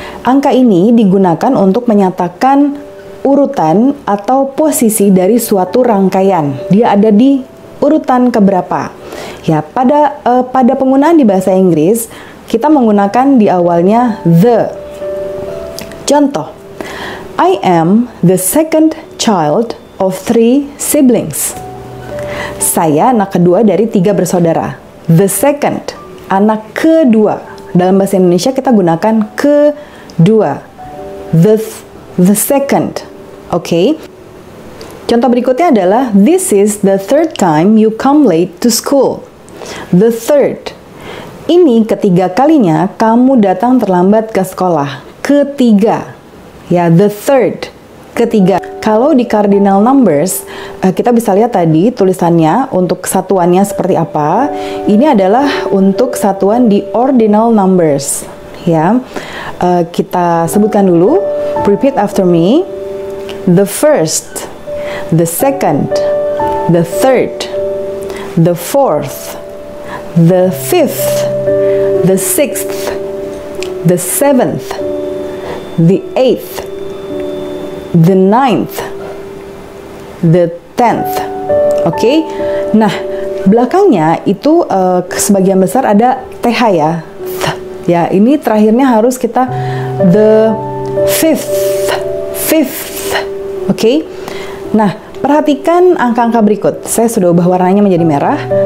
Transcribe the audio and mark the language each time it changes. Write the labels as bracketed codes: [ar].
[id] Angka ini digunakan untuk menyatakan urutan atau posisi dari suatu rangkaian. Dia ada di urutan keberapa. Ya, pada penggunaan di bahasa Inggris, kita menggunakan di awalnya the. [en] Contoh, I am the second child of three siblings. [id] Saya anak kedua dari tiga bersaudara. [en] The second, [id] anak kedua. Dalam bahasa Indonesia kita gunakan kedua. [en] The second. Okay. [id] Contoh berikutnya adalah, [en] this is the third time you come late to school. The third. [id] Ini ketiga kalinya kamu datang terlambat ke sekolah. Ketiga. Ya, [en] the third. [id] Ketiga. Kalau di cardinal numbers, kita bisa lihat tadi tulisannya untuk satuannya seperti apa. Ini adalah untuk satuan di ordinal numbers. Ya, kita sebutkan dulu. [en] Repeat after me. The first, the second, the third, the fourth, the fifth, the sixth, the seventh, the eighth, the ninth, the tenth. Okay? [id] Nah, belakangnya itu sebagian besar ada TH ya. Th. Ya, ini terakhirnya harus kita [en] the fifth, fifth. [id] Okay? Nah, perhatikan angka-angka berikut. Saya sudah ubah warnanya menjadi merah.